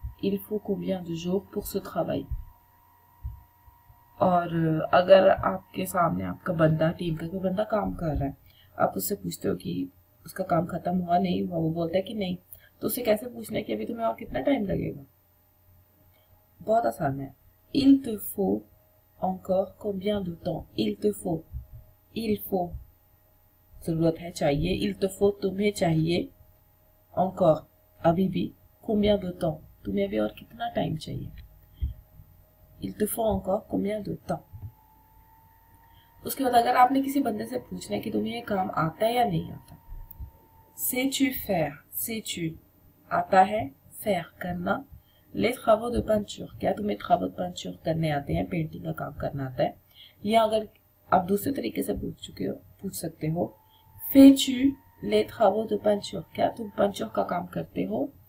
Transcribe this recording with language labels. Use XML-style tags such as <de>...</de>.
<fr>Il faut combien de jours pour ce travail?</fr> <hi>और अगर आपके सामने आपका बंदा, टीम का कोई बंदा काम कर रहा है, आप उससे पूछते हो कि उसका काम खत्म हुआ नहीं हुआ, वो बोलता है कि नहीं, तो उसे कैसे पूछना है कि अभी तुम्हें और कितना टाइम लगेगा? बहुत आसान है,</hi> <fr>il te faut encore combien de temps, il faut,</fr> <hi>जरूरत है, चाहिए,</hi> <fr>il te faut,</fr> <hi>तुम्हें चाहिए,</hi> <fr>encore,</fr> <hi>अभी भी,</hi> <fr>combien de temps,</fr> <hi>तुम्हें अभी और कितना टाइम चाहिए,</hi> <fr>il te faut encore combien de temps।</fr> <hi>उसके बाद अगर आपने किसी बंदे से पूछना है कि तुम्हें ये काम आता है या नहीं आता,</hi> <fr>sais-tu faire, sais-tu,</fr> <hi>आता है,</hi> <fr>faire,</fr> <hi>करना,</hi> <fr>les travaux de peinture,</fr> <hi>क्या तुम्हें</hi> <fr>travaux de peinture</fr> <hi>करने आते हैं, पेंटिंग का काम करना आता है, या अगर आप दूसरे तरीके से पूछ चुके हो, पूछ सकते हो,</hi> <fr>fais-tu les travaux de peinture,</fr> <hi>क्या तुम पंचर का काम करते हो,</hi>